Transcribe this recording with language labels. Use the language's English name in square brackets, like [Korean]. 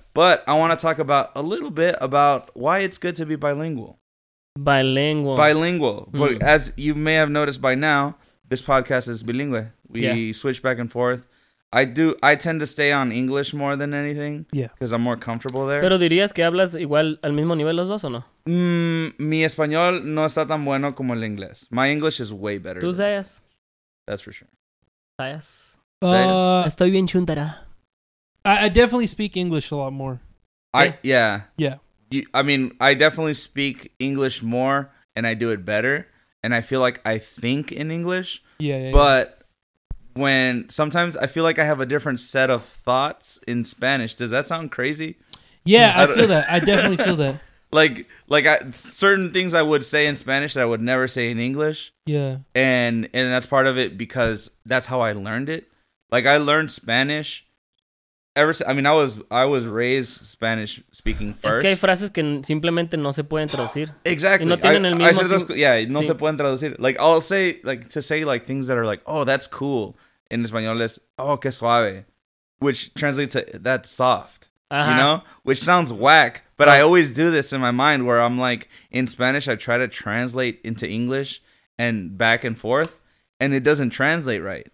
[English] But I want to talk about a little bit about why it's good to be bilingual. Bilingual. Mm. But as you may have noticed by now, this podcast is bilingue. We switch back and forth. I tend to stay on English more than anything. Yeah. Because I'm more comfortable there. [Spanish] Pero dirías que hablas igual al mismo nivel los dos o no? Mi español no está tan bueno como el inglés. [English] My English is way better. [Spanish] ¿Tú sabes? [English] That's for sure. [Spanish] Estoy bien chuntara. [English] I definitely speak English a lot more. I definitely speak English more and I do it better. And I feel like I think in English. But when sometimes I feel like I have a different set of thoughts in Spanish. Does that sound crazy? Yeah, I feel that. I definitely feel that. Like certain things I would say in Spanish that I would never say in English. Yeah. And that's part of it because that's how I learned it. Like, I learned Spanish I was raised Spanish speaking first. [Spanish] Es que hay frases que simplemente no se pueden traducir. [English] Exactly. [Spanish] Y no tienen el mismo se pueden traducir. [English] Like, I'll say, like, to say, like, things that are like, oh, that's cool. [Spanish] En español es, oh, qué suave. [English] Which translates to, that's soft. Uh-huh. You know? Which sounds whack. But I always do this in my mind where I'm like, in Spanish, I try to translate into English and back and forth, and it doesn't translate right.